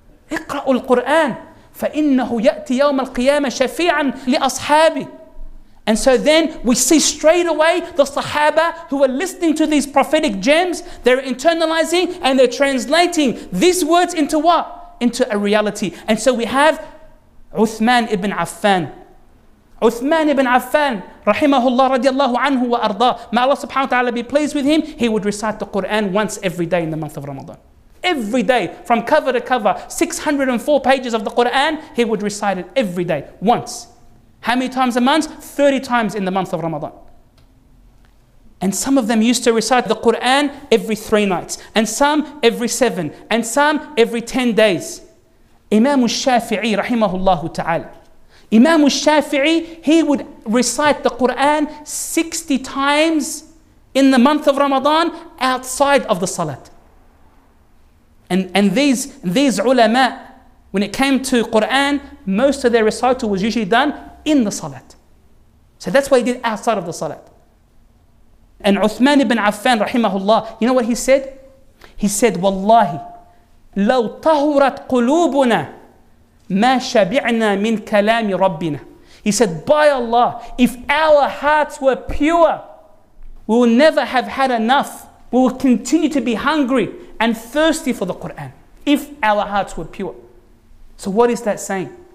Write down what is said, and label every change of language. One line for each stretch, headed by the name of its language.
Arabic: اقرأوا القرآن. فَإِنَّهُ يَأْتِ يَوْمَ الْقِيَامَةِ شَفِيعًا لِأَصْحَابِ.
English: And so then we see straight away the Sahaba who are listening to these prophetic gems, they're internalizing and they're translating these words into what? Into a reality. And so we have
Arabic: عثمان ابن عفان. عثمان ibn Affan, رحمه الله رضي الله عنه وأرضاه.
English: May Allah subhanahu wa ta'ala be pleased with him. He would recite the Quran once every day in the month of Ramadan. Every day, from cover to cover, 604 pages of the Quran, he would recite it every day, once. How many times a month? 30 times in the month of Ramadan. And some of them used to recite the Quran every 3 nights, and some every 7, and some every 10 days.
Arabic: Imam al-Shafi'i, رحمه الله تعالى.
English: Imam al-Shafi'i, he would recite the Quran 60 times in the month of Ramadan outside of the Salat. And these ulama, when it came to Quran, most of their recital was usually done in the Salat. So that's what he did outside of the Salat. And Uthman ibn Affan, rahimahullah, you know what he said? He said,
Arabic: Wallahi, لو طهرت قلوبنا ما شبعنا من كلام ربنا.
English: He said, by Allah, if our hearts were pure, we will never have had enough. We will continue to be hungry and thirsty for the Quran, if our hearts were pure. So what is that saying?